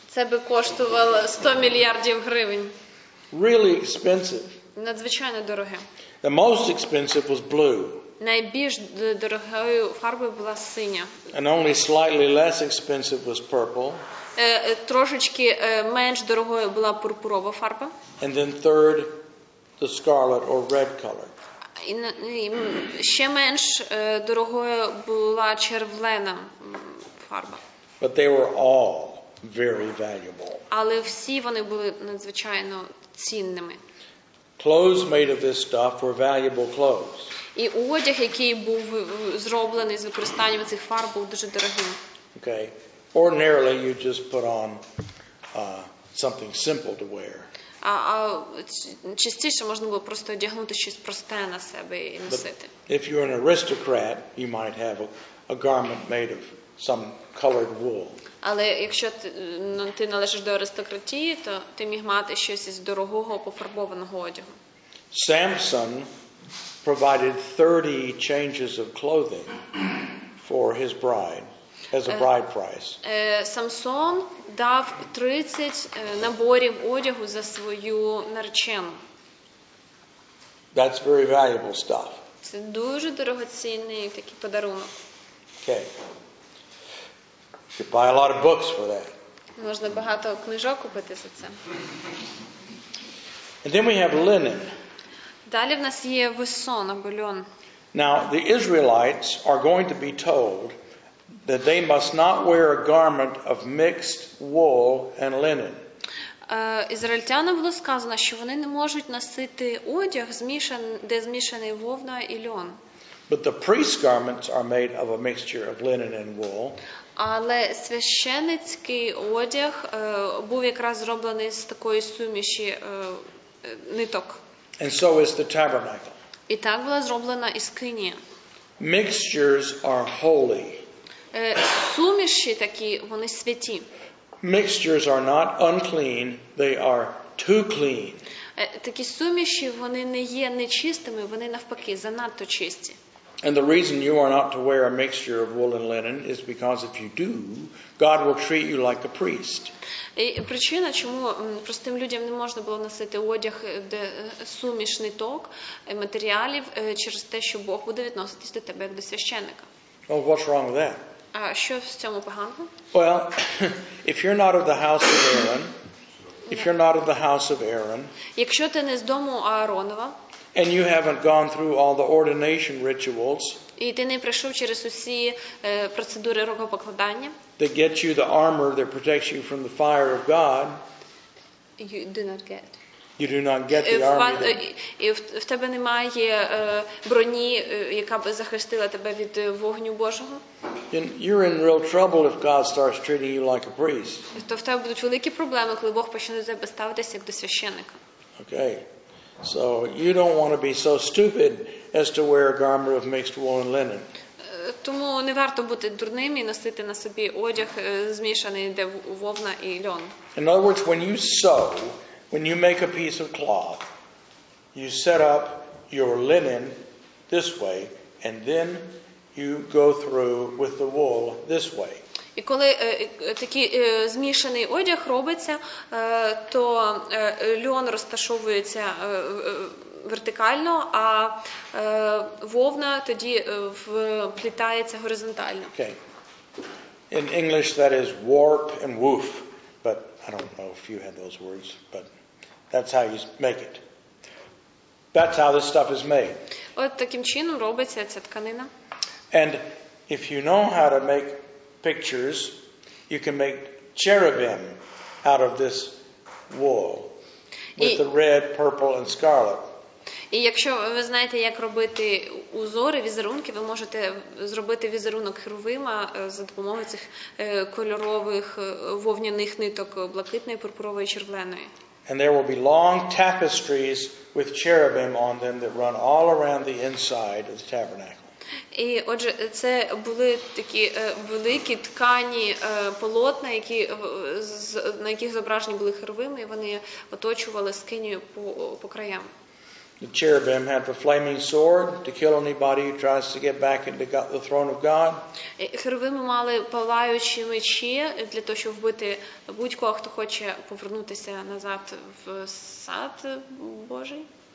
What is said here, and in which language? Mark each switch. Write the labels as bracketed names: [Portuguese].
[Ukrainian] Це би коштувало 100 мільярдів гривень. [English] Really expensive. [Ukrainian] Надзвичайно дороге. [English] The most expensive was blue. [Ukrainian] Найбільш дорогою фарбою була синя. [English] And only slightly less expensive was purple. [Ukrainian] Трошечки менш дорогою була пурпурова фарба. [English] And then third, the scarlet or red color. [Ukrainian] Ще менш дорогою була червлена фарба. [English] But they were all very valuable. [Ukrainian] Але всі вони були надзвичайно цінними. [English] Clothes made of this stuff were valuable clothes. [Ukrainian] І одяг, який був зроблений з використанням цих фарб, був дуже дорогим. [English] Okay. Ordinarily you just put on something simple to wear. [Ukrainian] А частіше можна було просто одягнути щось просте на себе і носити. [English] If you're an aristocrat, you might have a garment made of some colored wool. [Ukrainian] Але якщо ти належиш до аристократії, то ти міг мати щось із дорогого пофарбованого одягу. [English] Samson provided 30 changes of clothing for his bride as a bride price. [Ukrainian] Самсон дав 30 наборів одягу за свою наречену. [English] That's very valuable stuff. [Ukrainian] Це дуже дорогоцінний такий подарунок. [English] Okay. You buy a lot of books for that. [Ukrainian] Можна багато книжок купити за це. [English] And then we have linen. [Ukrainian] Далі в нас є весон або льон. [English] Now the Israelites are going to be told that they must not wear a garment of mixed wool and linen. [Ukrainian] Ізраїльтянам було сказано, що вони не можуть носити одяг, де змішаний вовна і льон. [English] But the priest's garments are made of a mixture of linen and wool. [Ukrainian] Але священницький одяг був якраз зроблений з такої суміші ниток. [English] And so is the tabernacle. [Ukrainian] І так була зроблена і скинія. [English] Mixtures are holy. [Ukrainian] Суміші такі, вони святі. [English] Mixtures are not unclean, they are too clean. [Ukrainian] Такі суміші, вони не є нечистими, вони навпаки, занадто чисті. [English] And the reason you are not to wear a mixture of wool and linen is because if you do, God will treat you like a priest. [Ukrainian] І причина, чому простим людям не можна було носити одяг, де суміш ниток матеріалів, через те, що Бог буде відноситись до тебе як до священника. [English] Well, what's wrong with that? [Ukrainian] А що в цьому поганого? [English] Well, if you're not of the house of Aaron, if you're not of the house of Aaron, [Ukrainian] якщо ти не з дому Ааронова, [English] and you haven't gone through all the ordination rituals, і ти не пройшов через усі процедури рукопокладання, that get you the armor that protects you from the fire of God, you do not get. You do not get the armor. [Ukrainian] В тебе немає броні, яка б захистила тебе від вогню Божого. [English] Then you're in real trouble if God starts treating you like a priest. [Ukrainian] То в тебе будуть великі проблеми, коли Бог почне тебе ставитися як до священника. [English] Okay. So you don't want to be so stupid as to wear a garment of mixed wool and linen. [Ukrainian] Тому не варто бути дурним і носити на собі одяг змішаний, де вовна і льон. [English] In other words, when you sew, when you make a piece of cloth, you set up your linen this way and then you go through with the wool this way. [Ukrainian] І коли такий змішаний одяг робиться, то льон розташовується вертикально, а вовна тоді вплітається горизонтально. [English] Okay. In English that is warp and woof, but I don't know if you had those words, but that's how you make it. That's how this stuff is made. [Ukrainian] От таким чином робиться ця тканина. [English] And if you know how to make pictures, you can make cherubim out of this wool with the red, purple, and scarlet. [Ukrainian] І якщо ви знаєте, як робити узори, візерунки, ви можете зробити візерунок херовима за допомогою цих кольорових вовняних ниток блакитної, пурпурової, червленої. [English] And there will be long tapestries with cherubim on them that run all around the inside of the tabernacle. [Ukrainian] І отже, це були такі великі ткані полотна, які на яких зображені були херовими, і вони оточували скинію по краям. [English] The cherubim have a flaming sword to kill anybody who tries to get back into the throne of God. [Ukrainian] Херовими мали палаючі мечі для того, щоб вбити будь-кого, хто хоче повернутися назад в сад Божий.